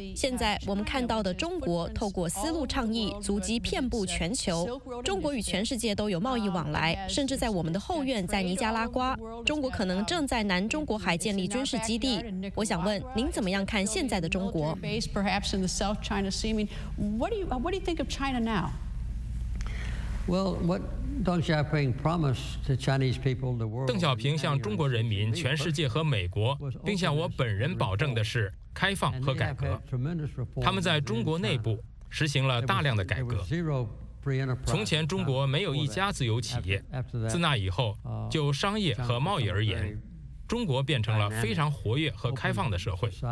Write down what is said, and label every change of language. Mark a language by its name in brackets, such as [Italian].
[Chinese] 现在我们看到的中国透过丝路倡议，足迹遍布全球。中国与全世界都有贸易往来，甚至在我们的后院，在尼加拉瓜，中国可能正在南中国海建立军事基地。我想问您怎么样看现在的中国 [English] ？Perhaps in the South China Sea. I mean, what do you think of China now? Well, what? [Chinese] 邓小平向中国人民、全世界和美国，并向我本人保证的是开放和改革。他们在中国内部实行了大量的改革。从前中国没有一家自由企业，自那以后，就商业和贸易而言，中国变成了非常活跃和开放的社会。